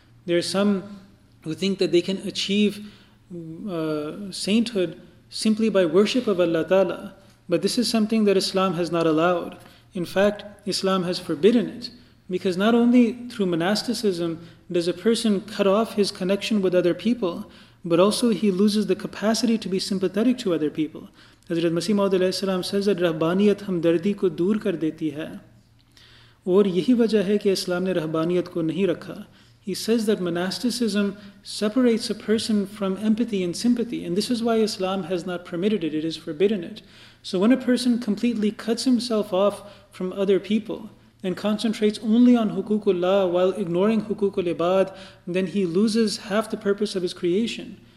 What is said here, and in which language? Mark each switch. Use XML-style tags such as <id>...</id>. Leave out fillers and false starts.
<en>There are some who think that they can achieve sainthood simply by worship of Allah Ta'ala, but this is something that Islam has not allowed. In fact, Islam has forbidden it, because not only through monasticism does a person cut off his connection with other people, but also he loses the capacity to be sympathetic to other people. Hazrat Masih Maud alayhi salam says that</en> <ur>رہبانیت ہمدردی کو دور کر دیتی ہے. اور یہی وجہ ہے کہ اسلام نے رہبانیت کو نہیں رکھا.</ur> <en>He says that monasticism separates a person from empathy and sympathy, and this is why Islam has not permitted it, it has forbidden it. So when a person completely cuts himself off from other people and concentrates only on huququllah while ignoring huququl ibad, then he loses half the purpose of his creation.</en>